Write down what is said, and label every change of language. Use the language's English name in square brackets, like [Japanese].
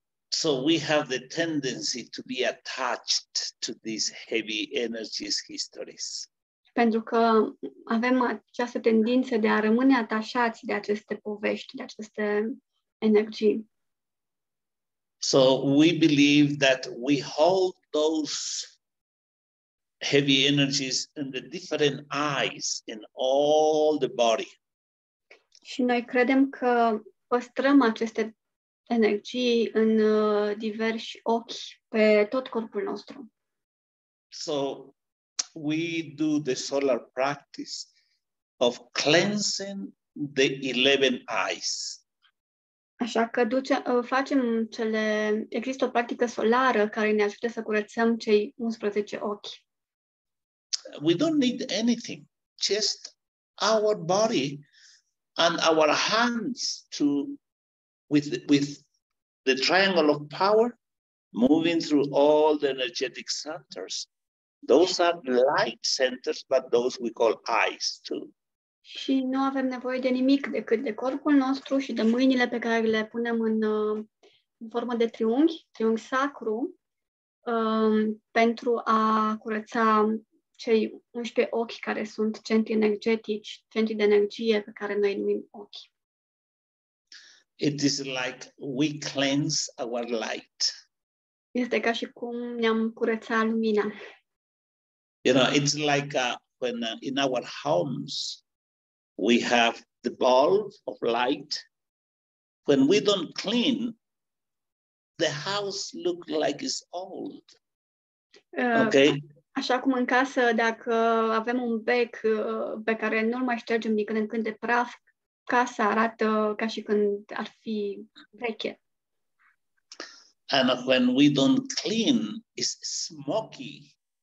[English] So we have the tendency to be attached to these heavy energies histories. [Romanian] Pentru că avem această tendință de a rămâne atașați de aceste povești, de aceste energii. [English] So we believe that we hold those heavy energies in the different eyes in all the body. [Romanian] Și noi credem că păstrăm aceste energii în diversi ochi pe tot corpul nostru. [English] So we do the solar practice of cleansing the 11 eyes. [Romanian] Așa că facem cele, există o practică solară care ne ajută să curățăm cei 11 ochi. [English] We don't need anything, just our body and our hands to with the triangle of power moving through all the energetic centers. Those are light centers, but those we call eyes too. [Romanian] Și nu avem nevoie de nimic decât de corpul nostru și de mâinile pe care le punem în formă de triunghi, triunghi sacru, pentru a curăța cei 11 ochi care sunt centri energetici, centri de energie pe care noi numim ochi. [English] It is like we cleanse our light. [Romanian] Este ca și cum ne-am curățat lumina. [English] You know, it's like when in our homes we have the bulb of light. When we don't clean, the house looks like it's old. Okay? [Romanian] Așa cum în casă, dacă avem un bec pe care nu-l mai ștergem din când în când de praf, casa arată ca și când ar fi veche. [English] And when we don't clean, it's smoky.